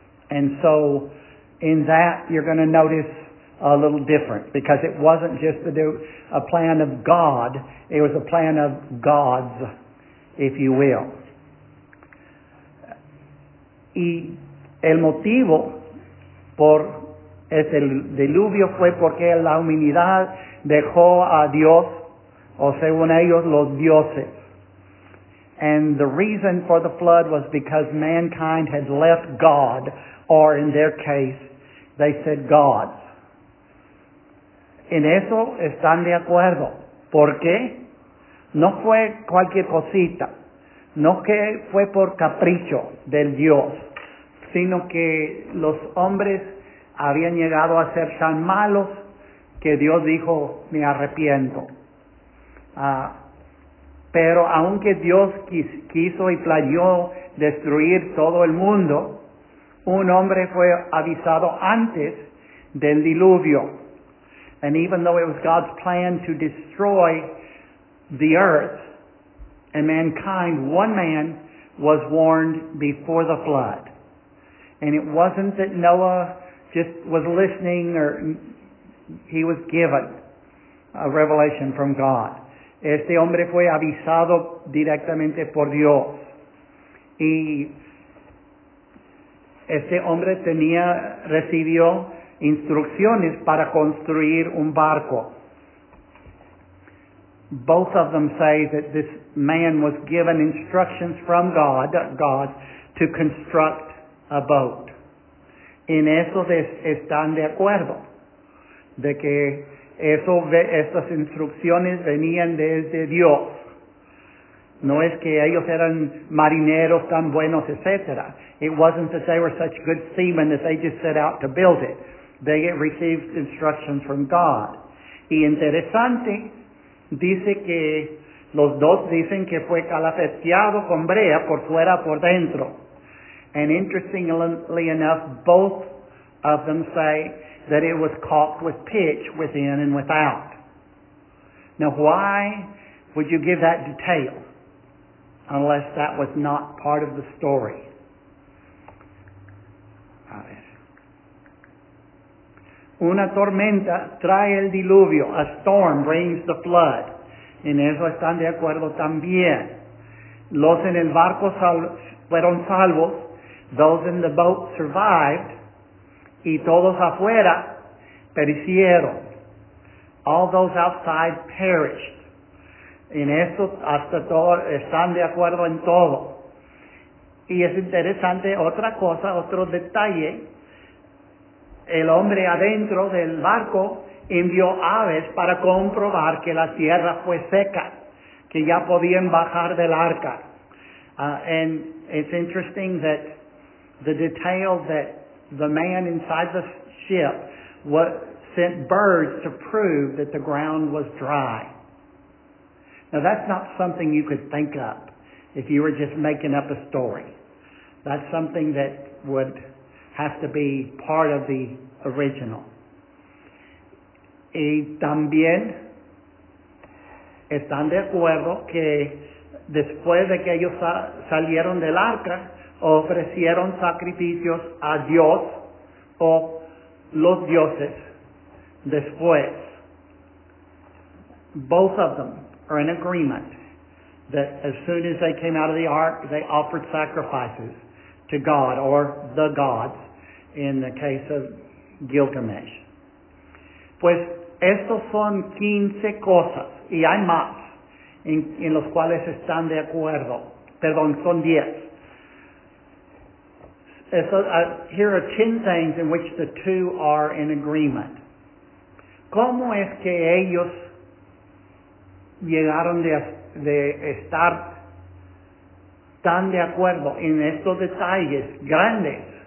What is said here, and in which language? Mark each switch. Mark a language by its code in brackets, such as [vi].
[en] And so in that, you're going to notice a little different, because it wasn't just to do a plan of God. It was a plan of gods, if you will. [es] Y el motivo por este diluvio fue porque la humanidad dejó a Dios, o según ellos, los dioses. [en] And the reason for the flood was because mankind had left God, or in their case, they said gods. [es] En eso están de acuerdo. ¿Por qué? No fue cualquier cosita. No que fue por capricho del Dios, sino que los hombres habían llegado a ser tan malos que Dios dijo, me arrepiento. Pero aunque Dios quiso y planeó destruir todo el mundo, un hombre fue avisado antes del diluvio. [en] And even though it was God's plan to destroy the earth and mankind, one man was warned before the flood. And it wasn't that Noah just was listening or he was given a revelation from God. [es] Este hombre fue avisado directamente por Dios. Y este hombre recibió instrucciones para construir un barco. [en] Both of them say that this man was given instructions from God, to construct a boat. [es] En eso están de acuerdo, de que estas instrucciones venían desde Dios. No es que ellos eran marineros tan buenos, etc. [en] It wasn't that they were such good seamen that they just set out to build it. They received instructions from God. [es] Y interesante, dice que los dos dicen que fue calafeteado con brea por fuera por dentro. [en] And interestingly enough, both of them say that it was caulked with pitch within and without. Now, why would you give that detail unless that was not part of the story? [es] Una tormenta trae el diluvio. [en] A storm brings the flood. [es] En eso están de acuerdo también. Los en el barco fueron salvos. [en] Those in the boat survived. [es] Y todos afuera perecieron. [en] All those outside perished. [es] En eso hasta todos están de acuerdo en todo. Y es interesante otra cosa, otro detalle. El hombre adentro del barco envió aves para comprobar que la tierra fue seca, que ya podían bajar del arca. [en] And it's interesting that the detail that the man inside the ship sent birds to prove that the ground was dry. Now, that's not something you could think up if you were just making up a story. That's something that would have to be part of the original. [es] Y también están de acuerdo que después de que ellos salieron del arca, ofrecieron sacrificios a Dios o los dioses después. [en] Both of them are in agreement that as soon as they came out of the ark, they offered sacrifices to God or the gods in the case of Gilgamesh. [es] Pues estos son 15 cosas y hay más en los cuales están de acuerdo. Perdón, son 10. [en] Here are 10 things in which the two are in agreement. [es] ¿Cómo es que ellos llegaron de estar tan de acuerdo en estos detalles grandes